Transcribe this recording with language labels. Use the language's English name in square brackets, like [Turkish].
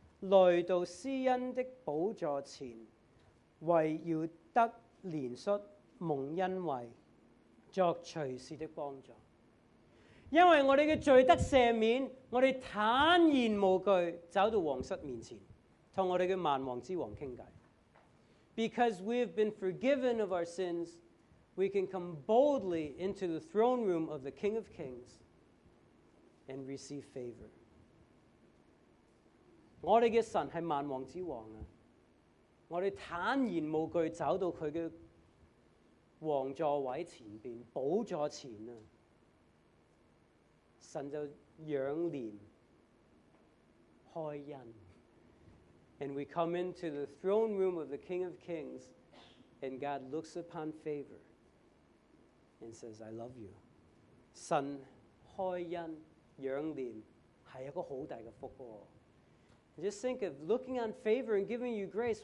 [Chinese] 来到施恩的宝座前，为要得怜恤蒙恩惠，作随时的帮助。因为我们的罪得赦免，我们坦然无惧走到王室面前，和我们的万王之王谈话。 [English] Because we have been forgiven of our sins, we can come boldly into the throne room of the King of Kings and receive favor. [Chinese] 我们的神是万王之王，我们坦然无惧走到他的王座位前面，宝座前，神就仰怜开恩。 [English] And we come into the throne room of the King of Kings, and God looks upon favor and says, I love you. [Chinese] 神开恩仰怜是一个好大的福哦。 [English] Just think of looking on favor and giving you grace.